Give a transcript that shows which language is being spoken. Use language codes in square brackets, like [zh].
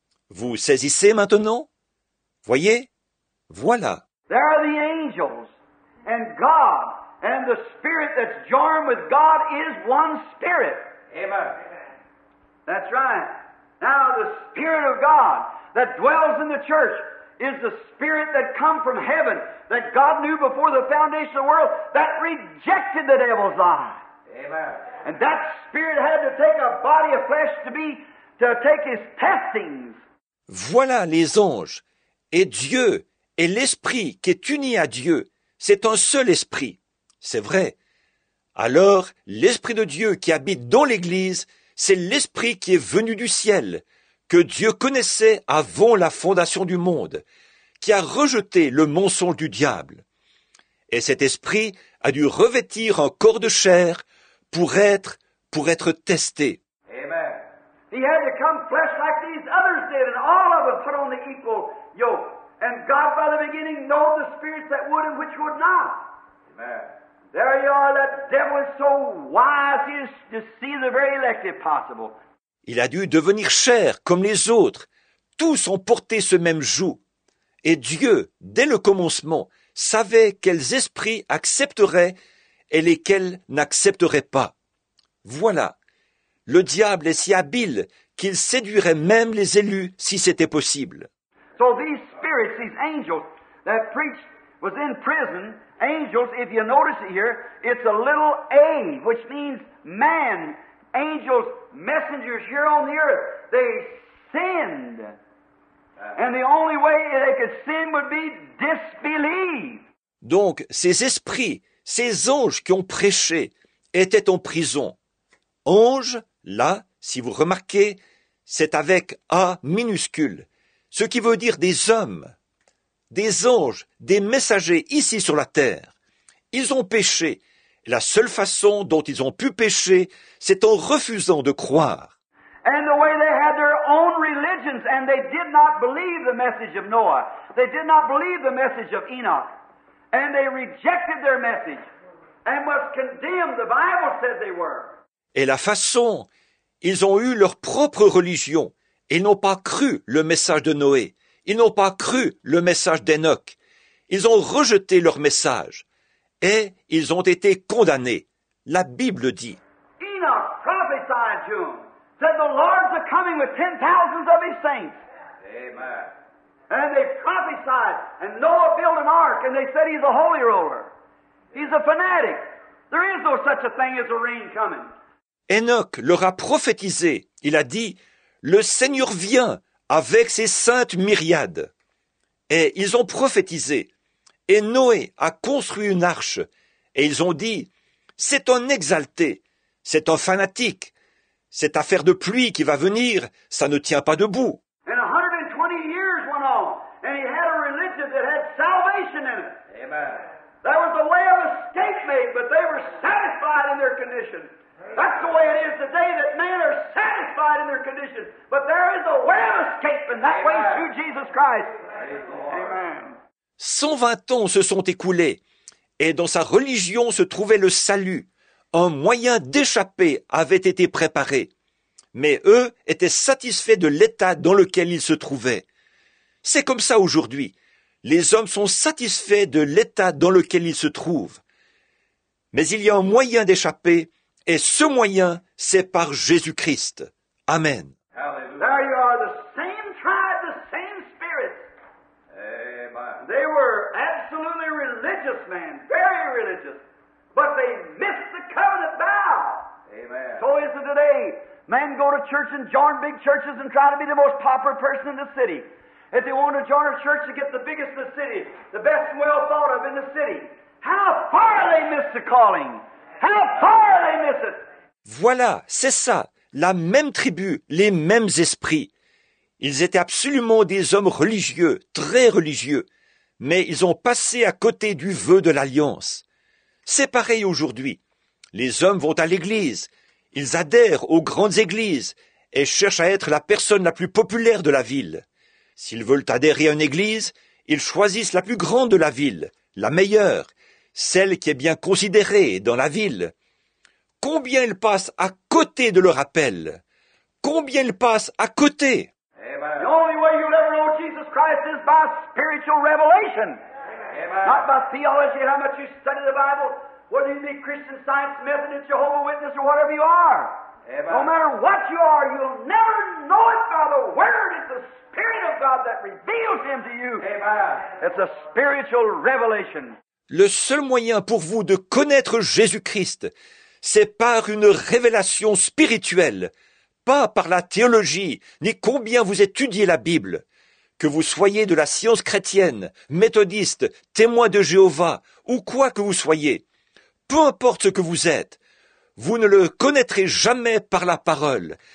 [fr] Vous saisissez maintenant? Voyez? Voilà. [en] There are the angels, and God, and the spirit that's joined with God is one spirit. Amen. That's right. Now the spirit of God that dwells in the church is the spirit that come from heaven, that God knew before the foundation of the world, that rejected the devil's lie. Amen. And that spirit had to take a body of flesh to take his testings. [fr] Voilà les anges, et Dieu Et l'esprit qui est uni à Dieu, c'est un seul esprit. C'est vrai. Alors, l'esprit de Dieu qui habite dans l'Église, c'est l'esprit qui est venu du ciel, que Dieu connaissait avant la fondation du monde, qui a rejeté le mensonge du diable. Et cet esprit a dû revêtir un corps de chair pour être testé. Amen. [en] He had to come flesh like these others did, and all of them put on the equal yoke. And God, by the beginning, knew the spirits that would and which would not. Amen. There you are, that devil is so wise, he is deceiving the very elect if possible. [fr] Il a dû devenir chair comme les autres. Tous ont porté ce même joug. Et Dieu, dès le commencement, savait quels esprits accepteraient et lesquels n'accepteraient pas. Voilà, le diable est si habile qu'il séduirait même les élus si c'était possible. [en] So these spirits, these angels that preached was in prison, angels, if you notice it here, it's a little a, which means man, angels, messengers here on the earth, they sinned. And the only way they could sin would be disbelief. [fr] Donc, ces esprits, ces anges qui ont prêché, étaient en prison. Ange, là, si vous remarquez, c'est avec A minuscule, ce qui veut dire des hommes, des anges, des messagers ici sur la terre. Ils ont péché. La seule façon dont ils ont pu pécher, c'est en refusant de croire. [en] And the way they had their own religions, and they did not believe the message of Noah. They did not believe the message of Enoch. And they rejected their message and was condemned. The Bible said they were. [fr] Et la façon, ils ont eu leur propre religion. Ils n'ont pas cru le message de Noé. Ils n'ont pas cru le message d'Enoch. Ils ont rejeté leur message. Et ils ont été condamnés. La Bible dit. [en] Enoch prophesied to them. Said the Lord's a coming with 10,000s of his saints. Amen. And they prophesied, and Noah built an ark, and they said he's a holy roller. He's a fanatic. There is no such a thing as a rain coming. [fr] Enoch leur a prophétisé. Il a dit, le Seigneur vient avec ses saintes myriades. Et ils ont prophétisé. Et Noé a construit une arche. Et ils ont dit, c'est un exalté, c'est un fanatique. Cette affaire de pluie qui va venir, ça ne tient pas debout. [en] And 120 years went on, and he had a religion that had salvation in it. Amen. That was the way of escape made, but they were satisfied in their condition. That's the way it is today, that men are satisfied in their condition. But there is a way of escape, and that way is through Jesus Christ. Amen. [fr] 120 ans se sont écoulés, et dans sa religion se trouvait le salut. Un moyen d'échapper avait été préparé, mais eux étaient satisfaits de l'état dans lequel ils se trouvaient. C'est comme ça aujourd'hui. Les hommes sont satisfaits de l'état dans lequel ils se trouvent. Mais il y a un moyen d'échapper, et ce moyen, c'est par Jésus-Christ. Amen. [en] There you are, the same tribe, the same spirit. Amen. They were absolutely religious men, very religious. But they missed the covenant vow. Amen. So is it today. Men go to church and join big churches and try to be the most popular person in the city. If they want to join a church to get the biggest in the city, the best and well thought of in the city, how far they miss the calling. How far they miss it. [fr] Voilà, c'est ça. La même tribu, les mêmes esprits. Ils étaient absolument des hommes religieux, très religieux. Mais ils ont passé à côté du vœu de l'Alliance. C'est pareil aujourd'hui. Les hommes vont à l'église, ils adhèrent aux grandes églises et cherchent à être la personne la plus populaire de la ville. S'ils veulent adhérer à une église, ils choisissent la plus grande de la ville, la meilleure, celle qui est bien considérée dans la ville. Combien ils passent à côté de leur appel? Combien ils passent à côté? Amen. [en] The only way you'll ever know Jesus Christ is by spiritual revelation. Amen. Not by theology, how much you study the Bible, whether you be Christian Science, Methodist, Jehovah's Witness, or whatever you are. Amen. No matter what you are, you'll never know it by the Word. It's the Spirit of God that reveals Him to you. Amen. It's a spiritual revelation. [fr] Le seul moyen pour vous de connaître Jésus-Christ, c'est par une révélation spirituelle, pas par la théologie, ni combien vous étudiez la Bible. que vous soyez de la science chrétienne, méthodiste, témoin de Jéhovah, ou quoi que vous soyez, peu importe ce que vous êtes, vous ne le connaîtrez jamais par la parole.